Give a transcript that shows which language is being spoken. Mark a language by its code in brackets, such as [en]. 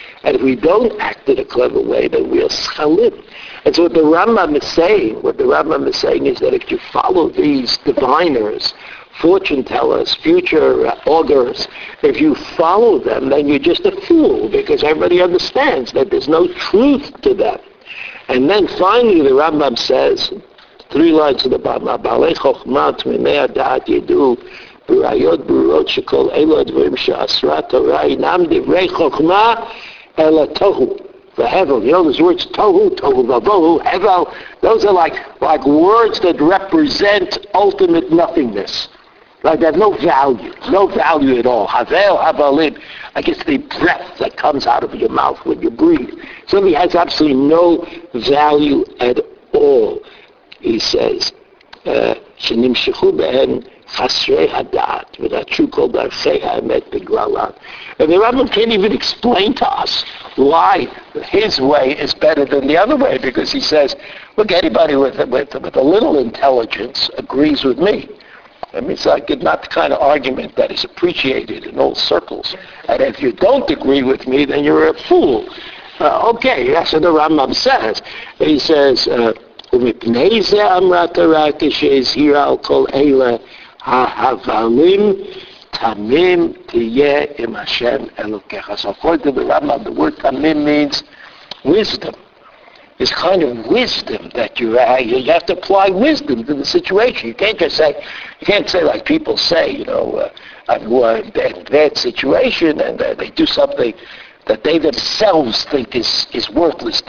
[en] And if we don't act in a clever way, then we are schalim. And so what the Rambam is saying is that if you follow these diviners, fortune tellers, future augurs, if you follow them, then you're just a fool, because everybody understands that there's no truth to them. And then finally the Rambam says, three lines of the Bama, [he] Balei chokhma tmimei ha-da'at yedu, ברעיות ברורות שכל אלו הדברים שעשרה תורה אינם דברי חוכמה אלא תוהו והבל. [en] You know those words, [he] תוהו, תוהו ובוהו, הבל. [en] Those are like words that represent ultimate nothingness. Like they have no value. No value at all. Havel, havelim. I guess the breath that comes out of your mouth when you breathe. Something has absolutely no value at all, he says. [he] שנמשכו בהן חסרי הדעת ונעצו כל דרכי האמת בגללן. [en] And the Rambam can't even explain to us why his way is better than the other way, because he says, look, anybody with a little intelligence agrees with me. I mean, it's like not the kind of argument that is appreciated in all circles. And if you don't agree with me, then you're a fool. Okay, that's what the Rambam says. He says, [he] ומפני זה אמרה תורה כשהזהירה על כל אלה ההבלים תמים תהיה עם השם אלוקיך. [en] So according to the Rambam, the word תמים means wisdom. It's kind of wisdom that you have to apply wisdom to the situation. You can't say like people say, you know, who are in a bad situation and they do something that they themselves think is worthless.